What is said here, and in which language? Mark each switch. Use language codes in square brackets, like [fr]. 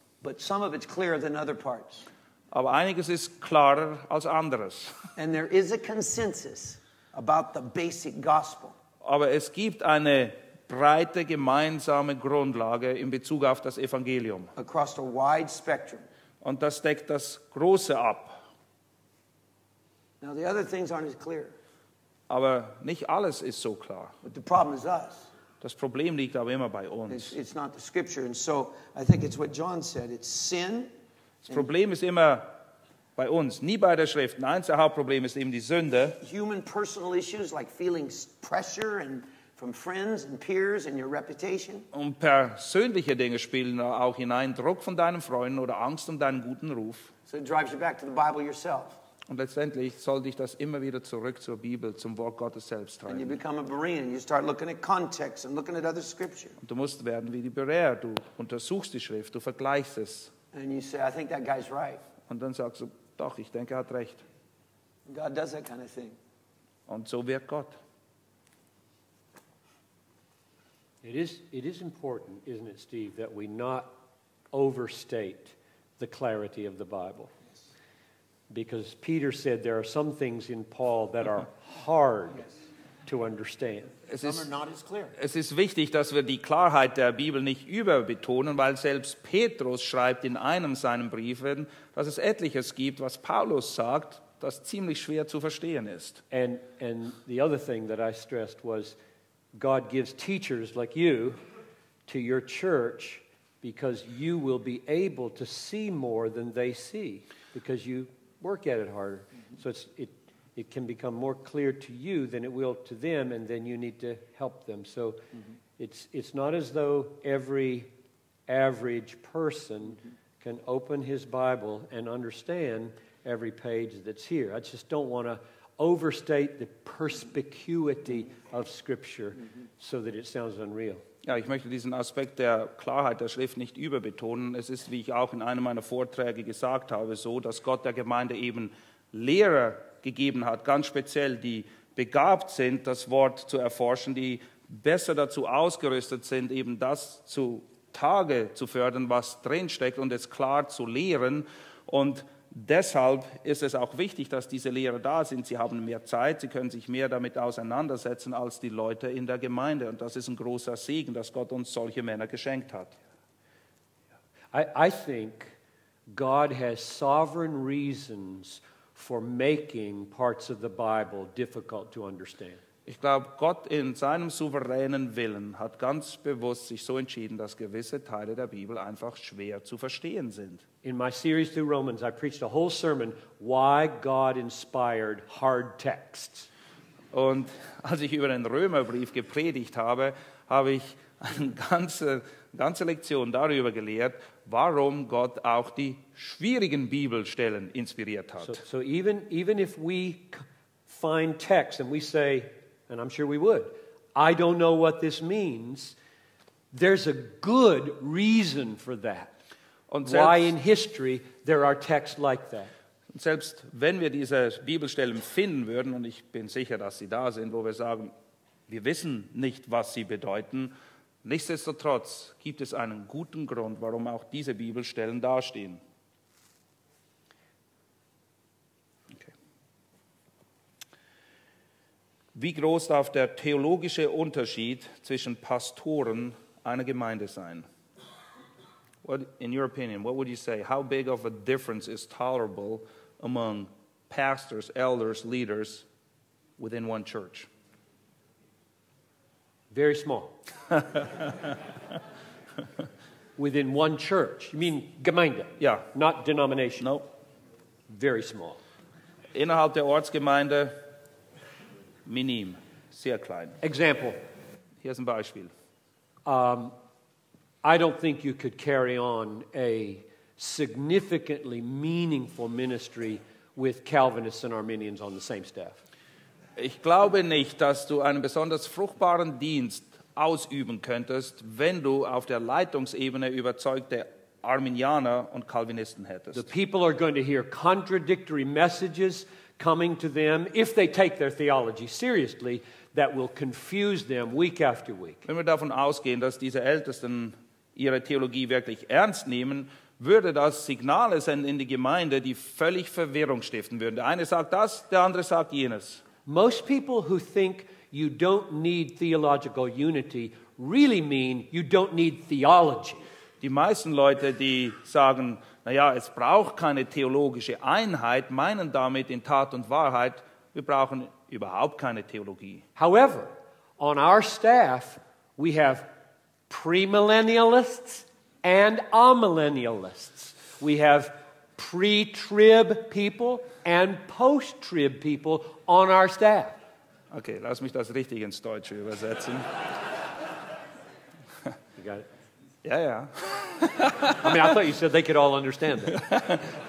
[en] But some of it's clearer than other parts. [de] Aber einiges ist klarer als anderes. [en] And there is a consensus about the basic gospel. [de] Aber es gibt eine breite gemeinsame Grundlage in Bezug auf das Evangelium. [en] Across a wide spectrum. [de] Und das deckt das Große ab. [en] Now the other things aren't as clear. [de] Aber nicht alles ist so klar. [en] But the problem is us. [de] Das Problem liegt aber immer bei uns. [en] It's not the scripture. And so I think it's what John said. It's sin. [de] Das Problem ist immer bei uns. Nie bei der Schrift. Nein, das Hauptproblem ist eben die Sünde. [en] Human personal issues like feeling pressure and from friends and peers and your reputation. [de] Und persönliche Dinge spielen auch hinein. Druck von deinen Freunden oder Angst um deinen guten Ruf. [en] So it drives you back to the Bible yourself. [de] Und letztendlich soll dich das immer wieder zurück zur Bibel, zum Wort Gottes selbst treiben. [en] And you become a Berean. You start looking at context and looking at other scripture. [de] Und du musst werden wie die Berea. Du untersuchst die Schrift, du vergleichst es. [en] And you say, I think that guy's right. [de] Und dann sagst du, doch, ich denke, er hat recht. [en] God does that kind of thing. [de] Und so wirkt Gott. [en] It is important, isn't it, Steve, that we not overstate the clarity of the Bible. Because Peter said there are some things in Paul that are hard to understand. [de] Es ist wichtig, dass wir die Klarheit der Bibel nicht überbetonen, weil selbst Petrus schreibt in einem seiner Briefe, dass es etliches gibt, was Paulus sagt, das ziemlich schwer zu verstehen ist. [en] And the other thing that I stressed was, God gives teachers like you to your church because you will be able to see more than they see because you work at it harder. So it can become more clear to you than it will to them, and then you need to help them. So it's not as though every average person can open his Bible and understand every page that's here. I just don't want to overstate the perspicuity of Scripture so that it sounds unreal. [de] Ja, ich möchte diesen Aspekt der Klarheit der Schrift nicht überbetonen. Es ist, wie ich auch in einem meiner Vorträge gesagt habe, so, dass Gott der Gemeinde eben Lehrer gegeben hat, ganz speziell, die begabt sind, das Wort zu erforschen, die besser dazu ausgerüstet sind, eben das zu Tage zu fördern, was drinsteckt und es klar zu lehren. Und Deshalb ist es auch wichtig, dass diese Lehrer da sind. Sie haben mehr Zeit, sie können sich mehr damit auseinandersetzen als die Leute in der Gemeinde. Und das ist ein großer Segen, dass Gott uns solche Männer geschenkt hat. [en] I think God has sovereign reasons for making parts of the Bible difficult to understand. [de] Ich glaube, Gott in seinem souveränen Willen hat ganz bewusst sich so entschieden, dass gewisse Teile der Bibel einfach schwer zu verstehen sind. [en] In my series through Romans, I preached a whole sermon, why God inspired hard texts. [de] Und als ich über den Römerbrief gepredigt habe, habe ich eine ganze Lektion darüber gelehrt, warum Gott auch die schwierigen Bibelstellen inspiriert hat. [en] So even if we find texts and we say, and I'm sure we would, I don't know what this means, there's a good reason for that. [de] Und selbst, [en] why in history there are texts like that. [de] Und selbst wenn wir diese Bibelstellen finden würden, und ich bin sicher, dass sie da sind, wo wir sagen, wir wissen nicht, was sie bedeuten, nichtsdestotrotz gibt es einen guten Grund, warum auch diese Bibelstellen dastehen. Wie groß darf der theologische Unterschied zwischen Pastoren einer Gemeinde sein? [en] What, in your opinion, what would you say? How big of a difference is tolerable among pastors, elders, leaders within one church? Very small. Within one church. You mean Gemeinde? Yeah. Not denomination? No. Nope. Very small. [de] Innerhalb der Ortsgemeinde... Minim, sehr klein. [en] Example. [de] Hier ist ein Beispiel. [en] I don't think you could carry on a significantly meaningful ministry with Calvinists and Arminians on the same staff. [de] Ich glaube nicht, dass du einen besonders fruchtbaren Dienst ausüben könntest, wenn du auf der Leitungsebene überzeugte Arminianer und Calvinisten hättest. [en] The people are going to hear contradictory messages coming to them, if they take their theology seriously, that will confuse them week after week. [de] Wenn wir davon ausgehen, dass diese Ältesten ihre Theologie wirklich ernst nehmen, würde das Signale senden in die Gemeinde, die völlig Verwirrung stiften würden. Der eine sagt das, der andere sagt jenes. [en] Most people who think you don't need theological unity really mean you don't need theology. [de] Die meisten Leute, die sagen, naja, es braucht keine theologische Einheit, meinen damit in Tat und Wahrheit, wir brauchen überhaupt keine Theologie. [en] However, on our staff, we have premillennialists and amillennialists. We have pre-trib people and post-trib people on our staff. [de] Okay, lass mich das richtig ins Deutsche übersetzen. [en] You got it? Yeah, yeah. I mean, I thought you said they could all understand that.